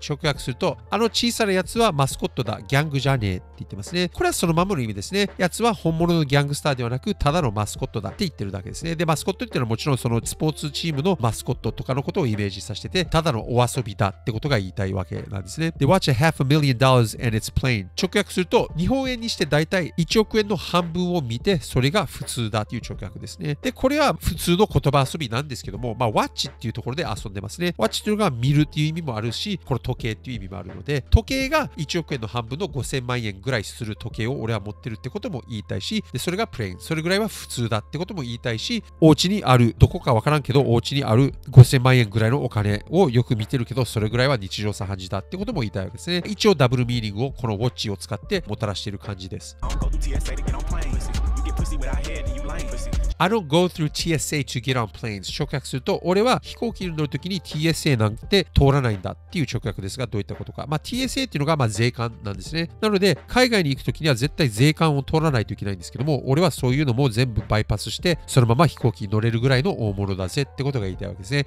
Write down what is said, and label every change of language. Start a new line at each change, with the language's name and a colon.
Japanese: 直訳すると、あの小さなやつはマスコットだ、ギャングじゃねえって言ってますね。これはそのままの意味ですね。やつは本物のギャングスターではなく、ただのマスコットだって言ってるだけですね。で、マスコットっていうのはもちろんそのスポーツチームのマスコットとかのことをイメージさせてて、ただのお遊びだってことが言いたいわけなんですね。
English: で、Watch a half a million dollars and it's plain.
Japanese: 直訳すると、日本円にして大体1億円の半分を見て、それが普通だっていう直訳ですね。で、これは普通の言葉遊びなんですけども、まあ、Watch っていうところで遊んでますね。ワッチというのが見るという意味もあるし、これ時計という意味もあるので、時計が1億円の半分の5000万円ぐらいする時計を俺は持ってるってことも言いたいし、でそれがプレイン、それぐらいは普通だってことも言いたいし、お家にあるどこかわからんけどお家にある5000万円ぐらいのお金をよく見てるけど、それぐらいは日常茶飯事だってことも言いたいわけですね。一応ダブルミーニングをこのウォッチを使ってもたらしている感じです。
English: I don't go through TSA to get on planes.
Japanese: 直訳すると、俺は飛行機に乗るときに TSA なんて通らないんだっていう直訳ですが、どういったことか。まあ、TSA っていうのがまあ税関なんですね。なので、海外に行くときには絶対税関を通らないといけないんですけども、俺はそういうのも全部バイパスして、そのまま飛行機に乗れるぐらいの大物だぜってことが言いたいわけですね。